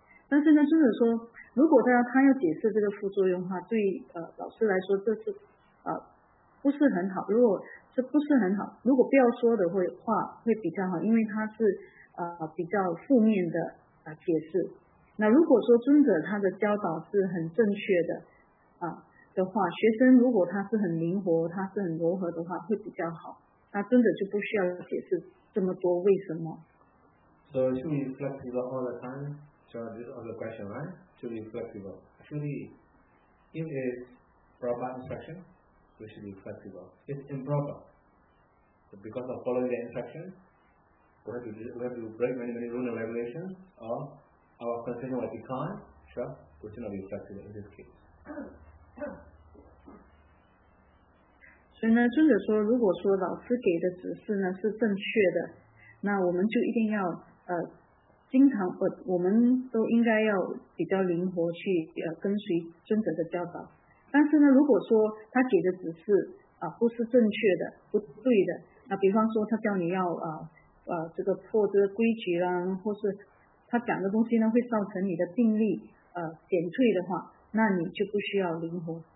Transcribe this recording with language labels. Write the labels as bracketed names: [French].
[Chinese] 但是呢就是说如果他要解释这个副作用的话，对老师来说这是不是很好，如果这不是很好，如果不要说的话会比较好，因为他是比较负面的解释。那如果说尊者他的教导是很正确的的话，学生如果他是很灵活，他是很柔和的话会比较好，他真的就不需要解释这么多为什么。 [English] So to be flexible all the time, so this is another question, right? To be flexible, actually in this proper instruction we should be flexible. It's improper because of following the instruction we have to break many rules and regulations, or our concentration will decline, sure, we should not be flexible in this case. [Chinese] 所以呢尊者说，如果说老师给的指示呢是正确的，那我们就一定要经常我们都应该要比较灵活去跟随尊者的教导。但是呢如果说他给的指示不是正确的，不对的，那比方说他叫你要这个破这个规矩啦，或是他讲的东西呢会造成你的定力减退的话，那你就不需要灵活。